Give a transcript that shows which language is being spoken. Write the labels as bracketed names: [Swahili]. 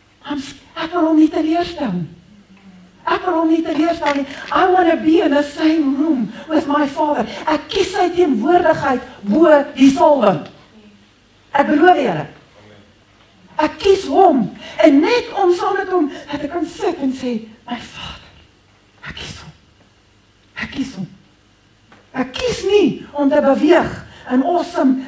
[Afrikaans] Ek wil hom nie teleerstel. Ek wil hom nie teleerstel nie. [English] I want to be in the same room with my father. [Afrikaans] Ek kies sy teenwoordigheid bo die volle. Ek beloof julle. Ek kies hom. En net om saam met hom, dat ek kan sit en sê, my vader, ek kies hom. Ek kies hom. Ek kies nie om te beweeg en awesome.